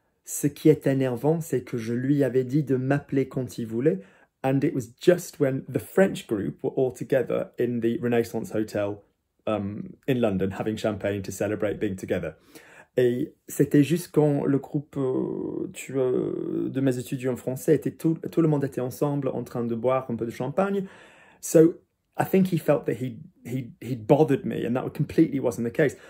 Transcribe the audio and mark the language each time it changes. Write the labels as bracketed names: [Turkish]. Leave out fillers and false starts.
[French] Ce qui est énervant, c'est que je lui avais dit de m'appeler quand il voulait. [English] And it was just when the French group were all together in the Renaissance Hotel in London, having champagne to celebrate being together. [French] Et c'était juste quand le groupe de mes étudiants français était tout le monde était ensemble en train de boire un peu de champagne. [English] So I think he felt that he'd bothered me, and that completely wasn't the case.